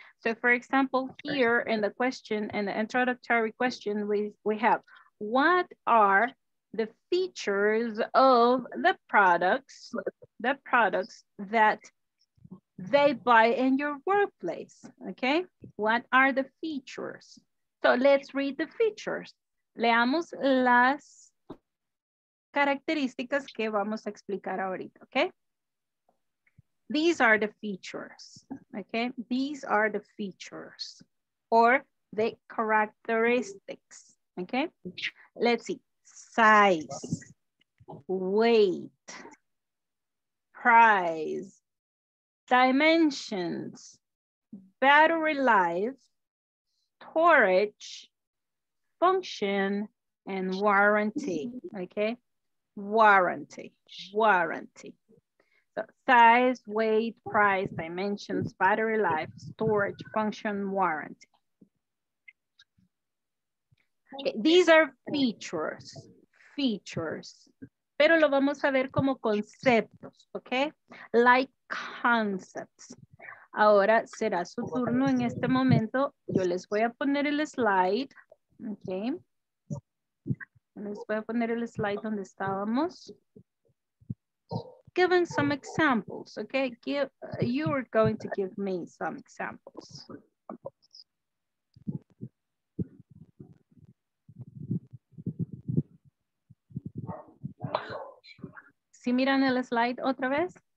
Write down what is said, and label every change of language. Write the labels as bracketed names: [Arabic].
[English] So, for example, here in the question, in the introductory question, we have, what are the features of the products that they buy in your workplace, okay? What are the features? So let's read the features. [Spanish] Leamos las características que vamos a explicar ahorita, okay? [English] These are the features, okay? These are the features or the characteristics, okay? Let's see. Size, weight, price, dimensions, battery life, storage, function, and warranty. Okay, warranty. So size, weight, price, dimensions, battery life, storage, function, warranty. Okay. These are features. [Spanish] Features, pero lo vamos a ver como conceptos, ¿ok? [English] Like concepts. [Spanish] Ahora será su turno en este momento. Yo les voy a poner el slide, ¿ok? Les voy a poner el slide donde estábamos. [English] Giving some examples, ¿ok? You are going to give me some examples. [Spanish] ¿Sí miran el slide otra vez?